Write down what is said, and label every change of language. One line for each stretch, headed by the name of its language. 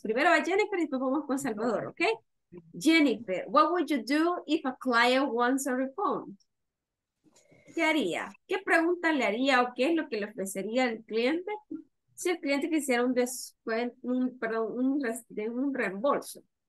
Spanish: Primero va Jennifer y después vamos con Salvador, ok?
English: Jennifer, what would you do if a client wants a refund?
Spanish: ¿Qué haría? ¿Qué pregunta le haría o qué es lo que le ofrecería al cliente si el cliente quisiera un descuento, un reembolso?